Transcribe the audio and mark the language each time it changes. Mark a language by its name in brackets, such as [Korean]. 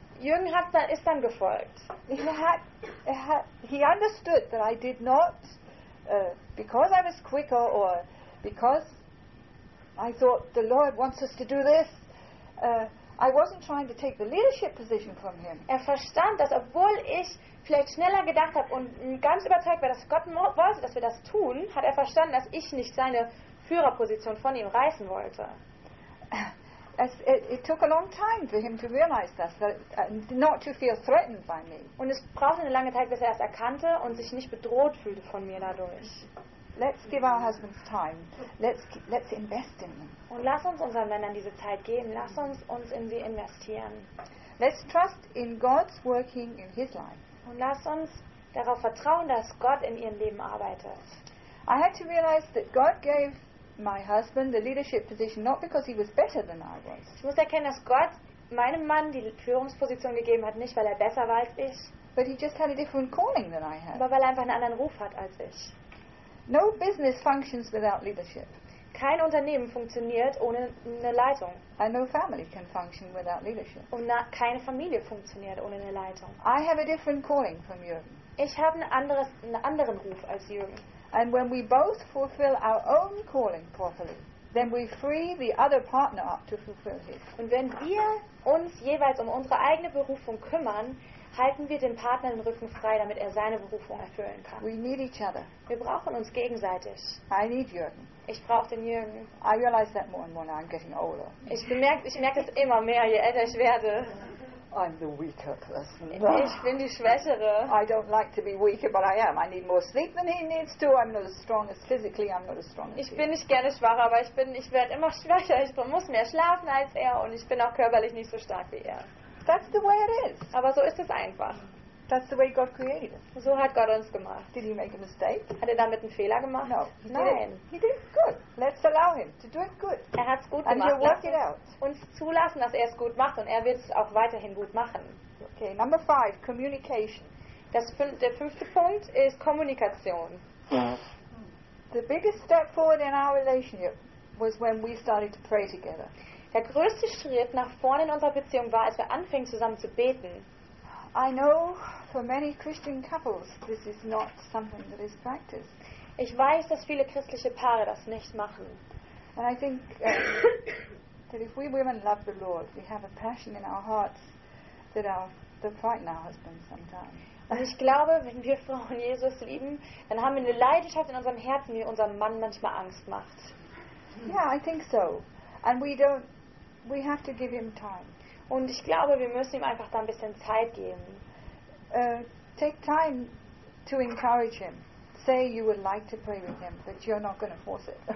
[German] Jürgen ist dann gefolgt. [English] He understood that I did not, because I was quicker or because I thought the Lord wants us to do this, I wasn't trying to take the leadership position from him. [German] Er verstand, dass obwohl ich vielleicht schneller gedacht habe und ganz überzeugt war, dass Gott wollte, dass wir das tun, hat er verstanden, dass ich nicht seine Führerposition von ihm reißen wollte. [English] It took a long time for him to realize this, and not to feel threatened by me. [German] Und es brauchte eine lange Zeit, bis er das erkannte und sich nicht bedroht fühlte von mir dadurch. [English] Let's give our husbands time. Let's invest in them. [German] Und lass uns unseren Männern diese Zeit geben. Lass uns in sie investieren. [English] Let's trust in God's working in his life. [German] Und lass uns darauf vertrauen, dass Gott in ihrem Leben arbeitet. [English] I had to realize that God gave my husband the leadership position not because he was better than I was. [German] Ich muss erkennen, dass Gott meinem Mann die Führungsposition gegeben hat, nicht weil er besser war als ich. [English] But he just had a different calling than I had. [German] Aber weil er einfach einen anderen Ruf hat als ich. [English] No business functions without leadership. [German] Kein Unternehmen funktioniert ohne eine Leitung. [English] And no family can function without leadership. [German] Und keine Familie funktioniert ohne eine Leitung. [English] I have a different calling from Jürgen. [German] Ich habe einen anderen Ruf als Jürgen. [English] And when we both fulfill our own calling properly, then we free the other partner up to fulfill his. [German] Und wenn wir uns jeweils unsere eigene Berufung kümmern, halten wir den Partner den Rücken frei, damit seine Berufung erfüllen kann. [English] We need each other. [German] Wir brauchen uns gegenseitig. [English] I need Jürgen. [German] Ich brauche den Jürgen. [English] I realize that more and more now. I'm getting older. [German] Ich merke es immer mehr, je älter ich werde. [English] I'm the weaker person. [German] Ich bin die Schwächere. [English] I don't like to be weaker, but I am. I need more sleep than he needs to. I'm not as strong as physically. I'm not as strong as he. [German] Ich bin nicht gerne schwacher, aber ich werde immer schwächer. Ich muss mehr schlafen als er und ich bin auch körperlich nicht so stark wie er. [English] That's the way it is. [German] Aber so ist es einfach. [English] That's the way God created. [German] So hat Gott uns gemacht. [English] Did he make a mistake? [German] Hat damit einen Fehler gemacht? [English] No. [German] Nein. [English] He did good. Let's allow him to do it good. [German] Er hat's gut [English] and And he'll work it out. [German] Uns zulassen, dass es gut macht und wird es auch weiterhin gut machen. [English] Okay, number five, communication. [German] Der fünfte Punkt ist Kommunikation. [English] The biggest step forward in our relationship was when we started to pray together. [German] Der größte Schritt nach vorne in unserer Beziehung war, als wir anfingen zusammen zu beten. [English] I know for many Christian couples this is not something that is practiced. [German] Ich weiß, dass viele christliche Paare das nicht machen. [English] And I think that if we women love the Lord, we have a passion in our hearts that frighten our husbands sometimes. [German] Und ich glaube, wenn wir Frauen Jesus lieben, dann haben wir eine Leidenschaft in unserem Herzen, die unserem Mann manchmal Angst macht. [English] Yeah, I think so. And we have to give him time. [German] Und ich glaube, wir müssen ihm einfach da ein bisschen Zeit geben. [English] Take time to encourage him. Say you would like to pray with him, but you're not going to force it.